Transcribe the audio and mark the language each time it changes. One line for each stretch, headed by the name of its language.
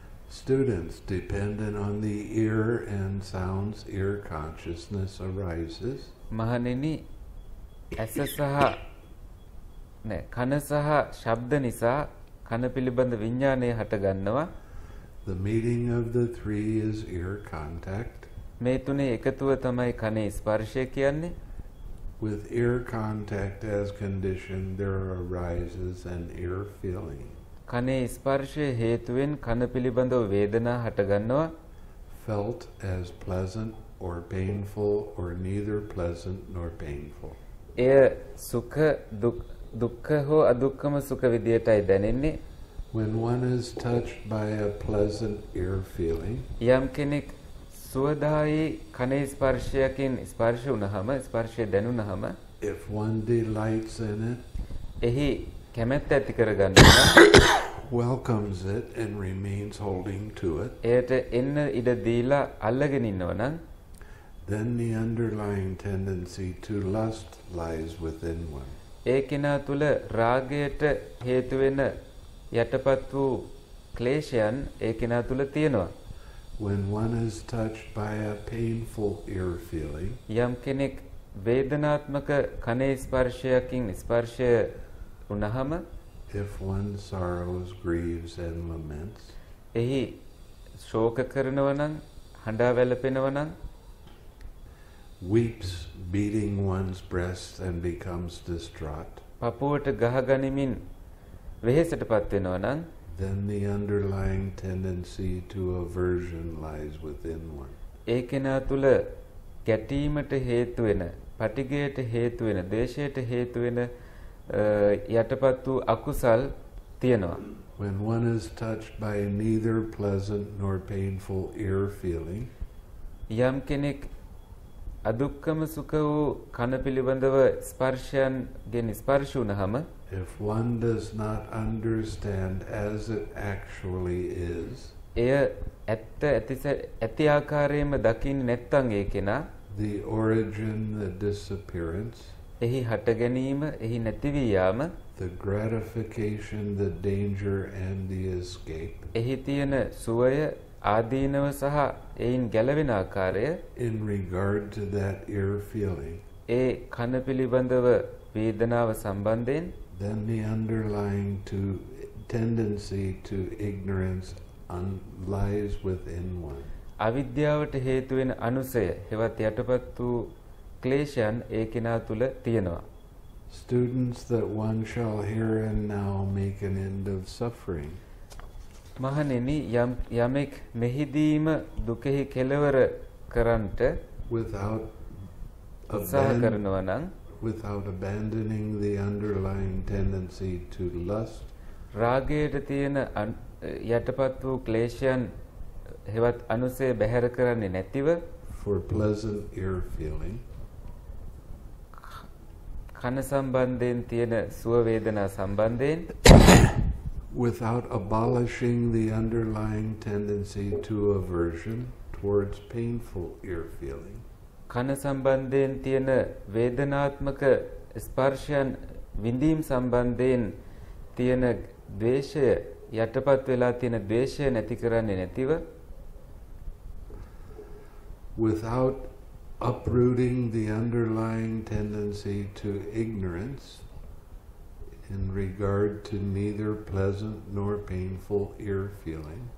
English: Students dependent on the ear and sounds, ear consciousness arises.
Sinhala: මහණෙනි ඇස සහ නෑ කන සහ ශබ්ද නිසා කන පිළිබඳ විඥානය හට ගන්නවා
English: the meeting of the three is ear contact
Sinhala: මේ තුනේ එකතුව තමයි කනේ ස්පර්ශය කියන්නේ.
English: With ear contact as condition, there arises an ear feeling.
Sinhala: කනේ ස්පර්ශය හේතුවෙන් කන පිළිබඳව වේදනා හටගන්නවා.
English: Felt as pleasant or painful or neither pleasant nor painful.
Sinhala: එය සුඛ දුක්ඛ හෝ අදුක්ඛම සුඛ විදියටයි දැනෙන්නේ.
English: When one is touched by a pleasant ear feeling,
Sinhala: යම් කෙනෙක් සුවදායි කනේ ස්පර්ශයකින් ස්පර්ශ වුණහම ස්පර්ශය දැනුණහම
English: if one delights in it,
Sinhala: එහි කැමැත්ත ඇති කරගන්නවා
English: welcomes it and remains holding to it,
Sinhala: එයට එන්න ඉඩ දීලා අල්ලගෙන ඉන්නවා නම්
English: then the underlying tendency to lust lies within one.
Sinhala: ඒ කෙනා තුළ රාගයට හේතු වෙන යටපත් වූ ක්ලේශයන් ඒ කෙනා තුළ තියෙනවා.
English: When one is touched by a painful ear feeling,
Sinhala: යම් කෙනෙක් වේදනාත්මක කනේ ස්පර්ශයකින් ස්පර්ශය වුණහම
English: if one sorrows, grieves and laments,
Sinhala: එහි ශෝක කරනවා නම් හඬා වැළපෙනවා නම්
English: weeps, beating one's breast and becomes distraught,
Sinhala: පපුවට ගහ ගනිමින් වෙහෙසටපත් වෙනවා නම්
English: then the underlying tendency to aversion lies within one.
Sinhala: ඒකෙනා තුල ගැටීමට හේතු වෙන, පටිගයට හේතු වෙන, දේශයට හේතු වෙන යටපත් වූ අකුසල් තියෙනවා.
English: When one is touched by neither pleasant nor painful ear feeling,
Sinhala: යම් කෙනෙක් අදුක්කම සුඛ වූ කන පිළිබඳව ස්පර්ශයන් ගැන ස්පර්ශ වුණහම
English: if one does not understand as it actually is,
Sinhala: එය ඇත්ත ඇති ආකාරයෙන්ම දකින්නේ නැත්නම් ඒකෙනා
English: the origin, the disappearance,
Sinhala: එහි හට ගැනීම, එහි නැතිවී යාම,
English: the gratification, the danger and the escape,
Sinhala: එහි තියෙන සුවය, ආදීනව සහ එයින් ගැලවෙන ආකාරය
English: in regard to that ear feeling,
Sinhala: ඒ කන පිළිබඳව වේදනාව සම්බන්ධයෙන්
English: then the underlying to tendency to ignorance lies within one.
Sinhala: අවිද්‍යාවට හේතු වෙන අනුසය හෙවත් යටපත් වූ ක්ලේශයන් ඒකිනා තුල තියෙනවා.
English: Students that one shall here and now make an end of suffering.
Sinhala: මහණෙනි යමෙක් මෙහිදීම දුකෙහි කෙලවර කරන්නට
English: without
Sinhala: උත්සාහ කරනවා නම්
English: without abandoning the underlying tendency to lust,
Sinhala: රාගයට තියෙන යටපත් වූ ක්ලේශයන් හෙවත් අනුසය බැහැර කරන්නේ නැතිව
English: for pleasant ear feeling,
Sinhala: කන සම්බන්ධයෙන් තියෙන සුව වේදනා සම්බන්ධයෙන්
English: without abolishing the underlying tendency to aversion towards painful ear feeling,
Sinhala: කන සම්බන්ධයෙන් තියෙන වේදනාත්මක ස්පර්ශයන් විඳීම් සම්බන්ධයෙන් තියෙන ද්වේෂය යටපත් වෙලා තියෙන ද්වේෂය නැති කරන්නේ නැතිව
English: without uprooting the underlying tendency to ignorance in regard to neither pleasant nor painful ear feeling,